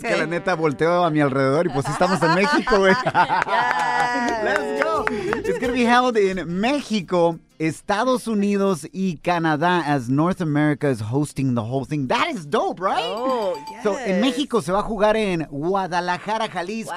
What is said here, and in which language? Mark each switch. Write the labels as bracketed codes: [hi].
[es] Que la neta volteo a mi alrededor y pues estamos en México. [en] Yes. Let's go. It's going to be held in Mexico, Estados Unidos y Canadá as North America is hosting the whole thing. That is dope, right? Oh, yes. [es] So, en México se va a jugar en Guadalajara, Jalisco,